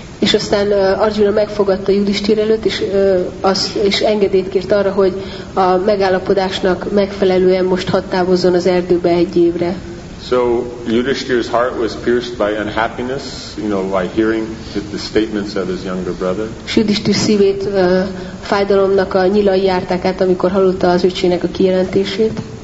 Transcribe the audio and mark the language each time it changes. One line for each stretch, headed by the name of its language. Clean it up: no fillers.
Hungarian: És aztán Arjuna megfogadta Yudhishthira előtt, és engedélyt kért arra, hogy a megállapodásnak megfelelően most hadd távozzon az erdőbe egy évre.
English: So Yudhishthira's heart was pierced by unhappiness, you know, by hearing the statements of his younger brother.
Hungarian: Yudhishthira szívét fájdalomnak a nyilai járták át, amikor hallotta az öcsének a kijelentését.